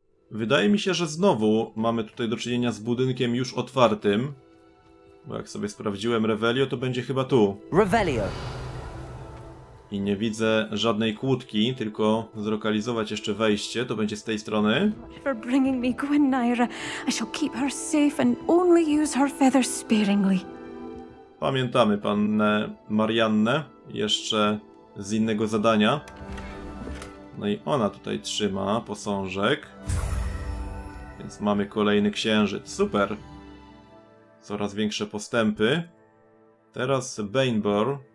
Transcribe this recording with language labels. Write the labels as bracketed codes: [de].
[pl] Wydaje mi się, że znowu mamy tutaj do czynienia z budynkiem już otwartym. Bo jak sobie sprawdziłem Revelio, to będzie chyba tu. Revelio. I nie widzę żadnej kłódki, tylko zlokalizować jeszcze wejście, to będzie z tej strony. [en] For bringing me Gwynnaira, I shall keep her safe and only use her feathers sparingly. [pl] Pamiętamy pannę Mariannę, jeszcze z innego zadania. No i ona tutaj trzyma posążek. Więc mamy kolejny księżyc, super. Coraz większe postępy. Teraz Bainbor.